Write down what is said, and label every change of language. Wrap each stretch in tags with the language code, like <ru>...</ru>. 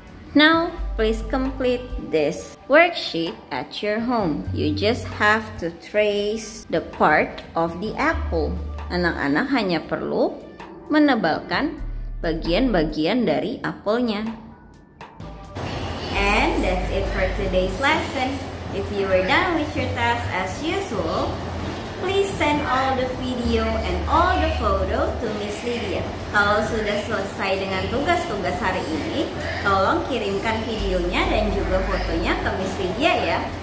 <en>Now, please complete this worksheet at your home. You just have to trace the part of the apple.</en> <id>Anak-anak hanya perlu menebalkan bagian-bagian dari apelnya.</id> <en>And that's it for today's lesson. If you were done with your task as usual, please send all the video and all the photo to Miss Lydia.</en> <id>Kalau sudah selesai dengan tugas-tugas hari ini, tolong kirimkan videonya dan juga fotonya ke Miss Lydia ya.</id>